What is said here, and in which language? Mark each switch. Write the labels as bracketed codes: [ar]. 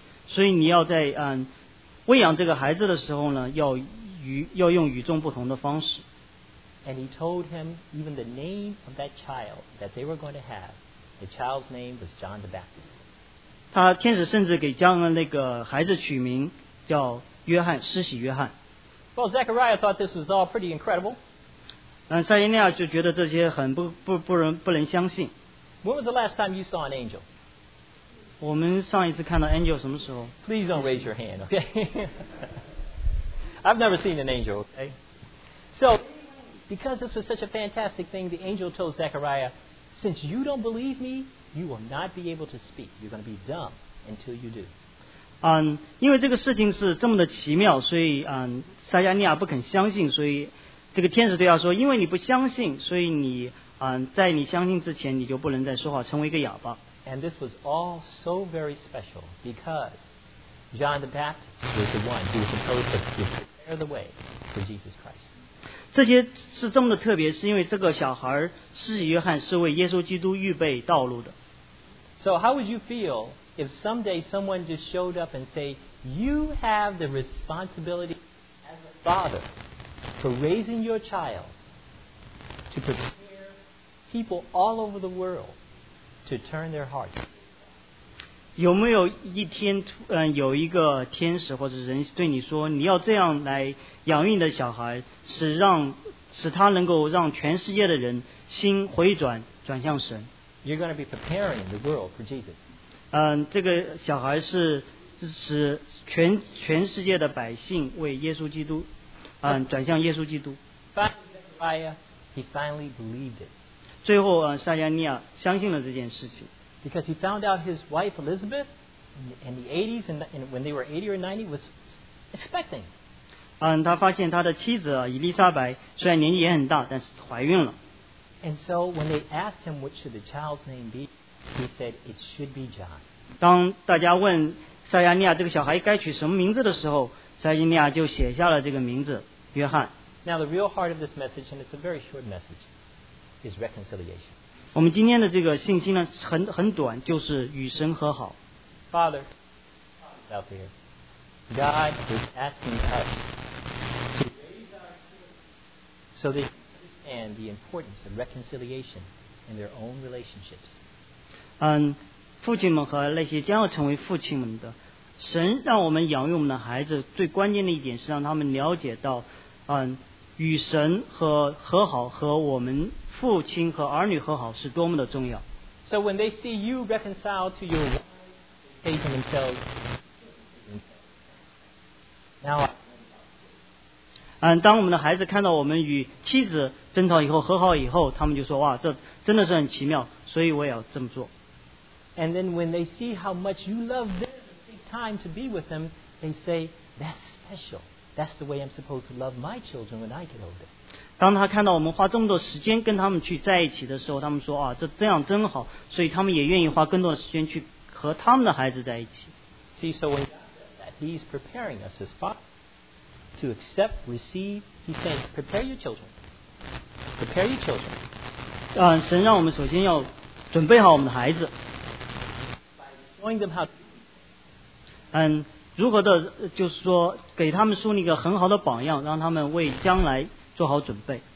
[zh] 所以你要在喂养这个孩子的时候呢要用与众不同的方式。 [en] And he told him even the name of that child that they were going to have. The child's name was John the Baptist. [zh] 他天使甚至给将那个孩子取名叫约翰施洗约翰。 [en] Well, Zechariah thought this was all pretty incredible. [zh] 撒迦利亚就觉得这些很不能相信。 [en] When was the last time you saw an angel? [zh] 我们上一次看到 angel 什么时候 [en] Please don't raise your hand, okay? I've never seen an angel, okay? So, because this was such a fantastic thing, the angel told Zechariah, Since you don't believe me, you will not be able to speak. You're going to be dumb until you do. [zh] 因为这个事情是这么的奇妙所以撒迦利亚不肯相信所以这个天使对他说因为你不相信所以你在你相信之前你就不能再说话成为一个哑巴。 [en] And this was all so very special because John the Baptist was the one who was supposed to prepare the way for Jesus Christ. [zh] 这些是这么的特别是因为这个小孩施洗约翰是为耶稣基督预备道路的。 [en] So how would you feel if someday someone just showed up and said, you have the responsibility as a father for raising your child to prepare people all over the world to turn their hearts. [zh] 有没有一天有一个天使或者人对你说你要这样来养育你的小孩使他能够让全世界的人心回转转向神。 [en] You're going to be preparing the world for Jesus. [zh] 这个小孩是使全世界的百姓为耶稣基督转向耶稣基督。 [en] Finally, he finally believed it. [zh] 最后撒迦利亚相信了这件事情。 [en] Because he found out his wife Elizabeth in the 80s and when they were 80 or 90 was expecting. [zh] 他发现他的妻子以利沙白虽然年纪也很大但是怀孕了。 [en] And so when they asked him what should the child's name be, he said it should be John. [zh] 当大家问撒迦利亚这个小孩该取什么名字的时候撒迦利亚就写下了这个名字约翰。 [en] Now the real heart of this message, and it's a very short message, is reconciliation. [zh] 我们今天的这个信息呢 很短就是与神和好。 [en] Father, out there, God is asking us to raise our children so they understand the importance of reconciliation in their own relationships. [zh] 父亲们和那些将要成为父亲们的神让我们养育我们的孩子最关键的一点是让他们了解到与神和和好和我们父亲和儿女和好是多么的重要。 [en] So when they see you reconciled to your wife, they say to themselves, now I. [zh] 当我们的孩子看到我们与妻子争吵以后和好以后他们就说哇这真的是很奇妙所以我也要这么做。 [en] And then when they see how much you love them and take time to be with them, they say, that's special. That's the way I'm supposed to love my children when I get older. [zh] 当他看到我们花这么多时间跟他们去在一起的时候他们说啊这这样真好所以他们也愿意花更多的时间去和他们的孩子在一起。 [en] See, so when God said that, he's preparing us as fathers to accept, receive, he's saying, prepare your children. Prepare your children. [zh] 神让我们首先要准备好我们的孩子。 [en] Showing them how to be. [zh] 如何的就是说给他们树立一个很好的榜样让他们为将来做好准备。